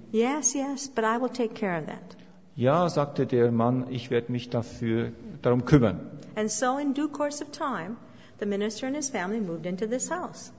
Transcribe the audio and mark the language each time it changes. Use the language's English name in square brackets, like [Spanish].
[English] Yes, yes, but I will take care of that. [German] Ja, sagte der Mann, ich werde mich darum kümmern. [English] And so in due course of time, the minister and his family moved into this house.